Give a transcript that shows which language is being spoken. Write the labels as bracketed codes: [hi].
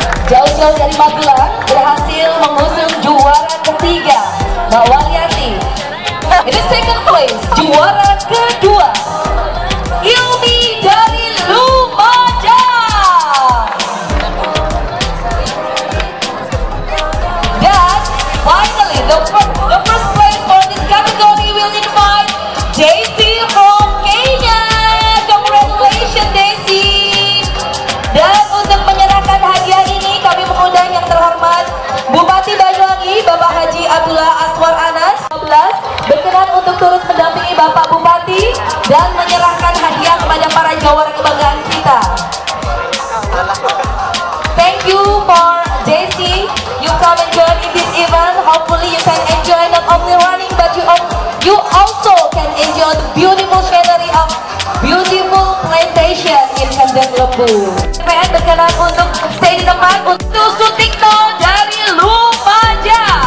[id] Jauh-jauh dari Magelang berhasil mengusung juara ketiga. Mbak Wali Yakti, ini [en] second place, [id] juara kedua, Ilmi dari Lumajang. [en] Dan finally, the first place for this category will be by Daisy from Kenya. Congratulations, Daisy. [id] Dan untuk menyerahkan hadiah ini, kami mengundang yang terhormat Bupati Banyuwangi, Bapak Haji Abdullah Aswar Anas. Berkenan untuk turut mendampingi Bapak Bupati dan menyerahkan hadiah kepada para juara kebanggaan kita. [en] Thank you for JC, you come and join. hopefully you can enjoy not only running, but you also can enjoy the beautiful scenery of beautiful plantation in Hendek Lebu. [id] PN berkenan untuk stay di tempat untuk syuting dari Lumaja.